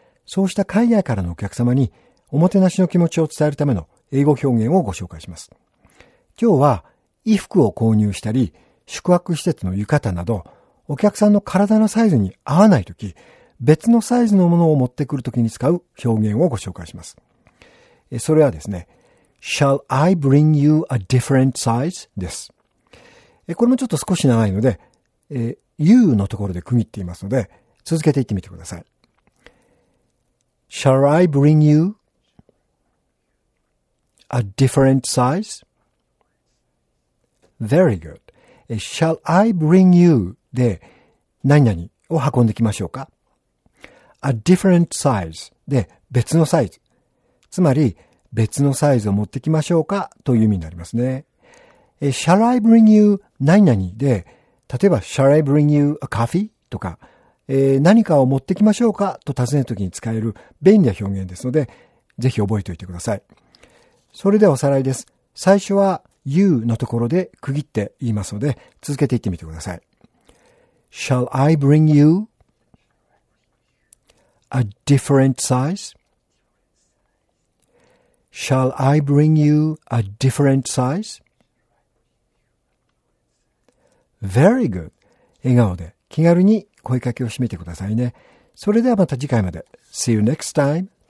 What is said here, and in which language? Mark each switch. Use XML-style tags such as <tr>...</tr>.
<ja>そうした海外からのお客様におもてなしの気持ちを伝えるための英語表現をご紹介します。今日は衣服を購入したり、宿泊施設の浴衣など、お客さんの体のサイズに合わないとき、別のサイズのものを持ってくるときに使う表現をご紹介します。それはですね、</ja> <en>Shall I bring you a different size?</en> <ja>です。これもちょっと少し長いので、you のところで区切っていますので、続けていってみてください。</ja> <en>Shall I bring you a different size? Very good. Shall I bring you</en> <ja>で、何々を運んできましょうか?</ja> <en>A different size</en> <ja>で、別のサイズ。つまり、別のサイズを持ってきましょうかという意味になりますね。</ja> <en>Shall I bring you</en> <ja>何々で、例えば</ja> <en>Shall I bring you a coffee?</en> <ja>とか、何かを持ってきましょうかと尋ねるときに使える便利な表現ですので、ぜひ覚えておいてください。それではおさらいです。最初は you のところで区切って言いますので、続けていってみてください。</ja> <en>Shall I bring you a different size? Shall I bring you a different size? Very good.</en> <ja>笑顔で気軽に声かけを締めてくださいね。それではまた次回まで。</ja> <en>See you next time.</en>